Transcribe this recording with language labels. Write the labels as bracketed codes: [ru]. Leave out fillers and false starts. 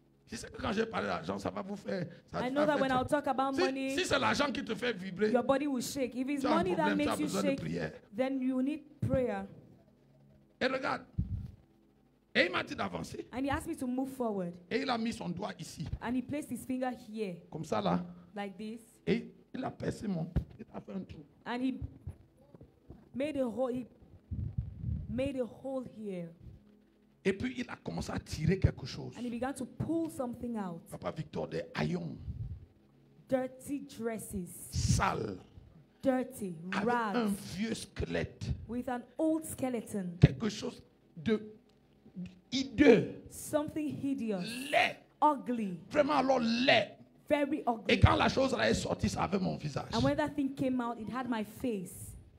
[fr] Je sais que quand je vais parler d'argent, ça va vous faire... Ça [en] I know that when I'll talk about [fr] si, [en] money, [fr] si c'est l'argent qui te fait vibrer, [en] your body will shake. If it's money [fr] problème, [en] that makes you shake, then you need prayer. [fr] Et regarde. Et il m'a dit d'avancer. [en] And he asked me to move forward. [fr] Et il a mis son doigt ici. [en] And he placed his finger here. [fr] Comme ça là. [en] Like this. [fr] Et il a percé mon. Il a fait un trou. [en] And he made a hole. He made a hole here. [fr] Et puis il a commencé à tirer quelque chose. [en] And he began to pull something out. [fr] Papa Victor, des haillons. [en] Dirty dresses. [fr] Sale. [en] Dirty rags. [fr] Avec un vieux squelette. [en] With an old skeleton. [fr] Quelque chose de hideux. [en] Something hideous. [fr] Laid. [en] Ugly. [fr] Vraiment alors laid. [en] Very ugly. [fr] Et quand la chose là est sortie, ça avait mon visage. [en] And when that thing came out, it had my face.